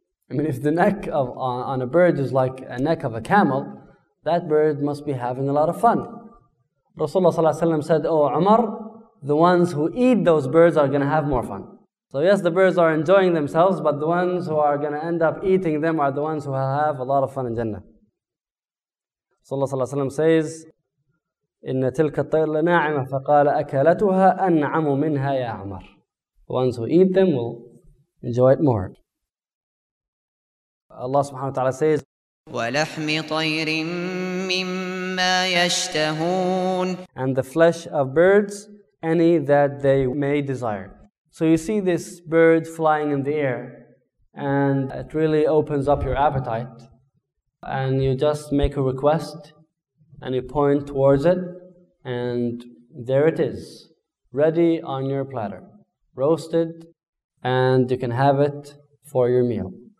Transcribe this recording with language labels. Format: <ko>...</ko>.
<en>I mean, if the neck of on a bird is like a neck of a camel, that bird must be having a lot of fun. Rasulullah ﷺ said, oh Umar, the ones who eat those birds are going to have more fun. So yes, the birds are enjoying themselves, but the ones who are going to end up eating them are the ones who have a lot of fun in Jannah. Rasulullah ﷺ says,</en> <ar>إن تلك الطير لناعمة فقال أكلتها أنعم منها يا عمر.</ar> <en>The ones who eat them will enjoy it more. Allah subhanahu wa ta'ala says,</en> <ar>ولحم طير مما يشتهون.</ar> <en>And the flesh of birds, any that they may desire. So you see this bird flying in the air, and it really opens up your appetite, and you just make a request, and you point towards it, and there it is, ready on your platter, roasted, and you can have it for your meal.</en>